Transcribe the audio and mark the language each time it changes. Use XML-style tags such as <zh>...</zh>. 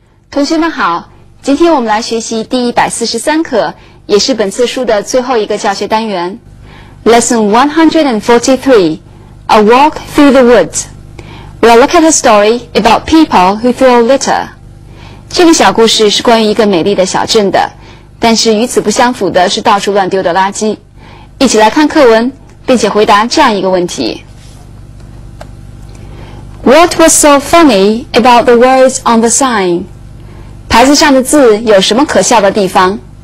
<zh>同学们好，今天我们来学习第143课，也是本次书的最后一个教学单元。</zh> <en>Lesson 143, A Walk Through the Woods. We'll look at a story about people who throw litter.</en> <zh>这个小故事是关于一个美丽的小镇的，但是与此不相符的是到处乱丢的垃圾。一起来看课文，并且回答这样一个问题。</zh> <en>What was so funny about the words on the sign?</en> <zh>牌子上的字有什么可笑的地方？</zh>